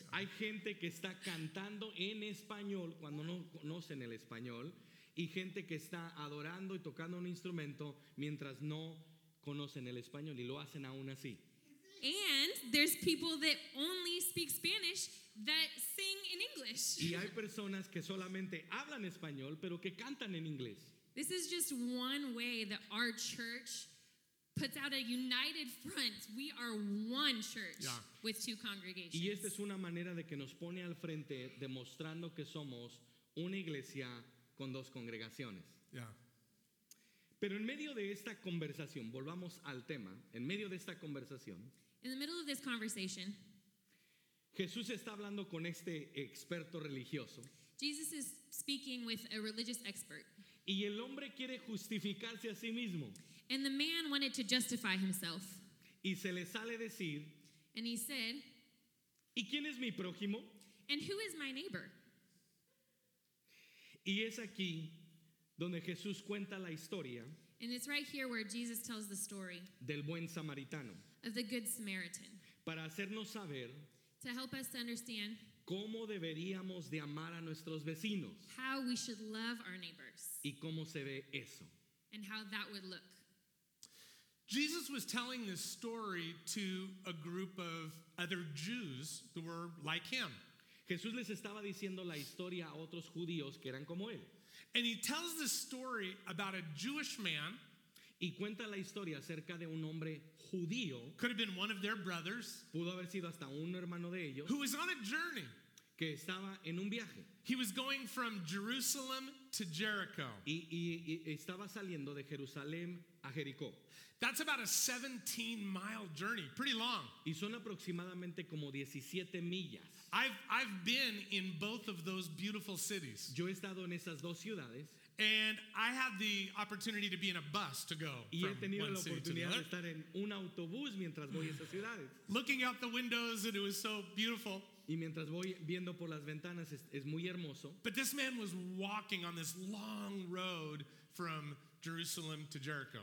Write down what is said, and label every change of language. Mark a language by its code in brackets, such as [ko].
[es] Hay gente que está cantando en español cuando no conocen el español, y gente que está adorando y tocando un instrumento mientras no conocen el español, y lo hacen aún así. [en] And there's people that only speak Spanish that sing in English. [es] Y hay personas que solamente hablan español, pero que cantan en inglés. [en] This is just one way that our church puts out a united front. We are one church, yeah, with two congregations. [es] Y esta es una manera de que nos pone al frente, demostrando que somos una iglesia con dos congregaciones. [en] Yeah. [es] Pero en medio de esta conversación, volvamos al tema, en medio de esta conversación, [en] in the middle of this conversation, [es] Jesús está hablando con este experto religioso. [en] Jesus is speaking with a religious expert. [es] Y el hombre quiere justificarse a sí mismo. [en] And the man wanted to justify himself. [es] Y se le sale decir, [en] and he said, [es] ¿y quién es mi prójimo? [en] And who is my neighbor? [es] Y es aquí donde Jesús cuenta la historia. [en] And it's right here where Jesus tells the story [es] del buen samaritano. [en] Of the good Samaritan. [es] Para hacernos saber, [en] to help us to understand, [es] cómo deberíamos de amar a nuestros vecinos. [en] How we should love our neighbors. [es] Y cómo se ve eso. [en] And how that would look. Jesus was telling this story to a group of other Jews that were like him. [es] Jesús les estaba diciendo la historia a otros judíos que eran como él. [en] And he tells this story about a Jewish man. [es] Y cuenta la historia acerca de un hombre judío. [en] Could have been one of their brothers. [es] Pudo haber sido hasta un hermano de ellos. [en] Who was on a journey. [es] Que estaba en un viaje. [en] He was going from Jerusalem to Jericho. [es] Y estaba saliendo de Jerusalén a Jericó. [en] That's about a 17-mile journey. Pretty long. [es] Y son aproximadamente como 17 millas. [en] I've been in both of those beautiful cities. [es] Yo he estado en esas dos ciudades. [en] And I had the opportunity to be in a bus to go from one city to another. Looking out the windows, and it was so beautiful. [es] Y mientras voy viendo por las ventanas, es muy hermoso. [en] But this man was walking on this long road from Jerusalem to Jericho.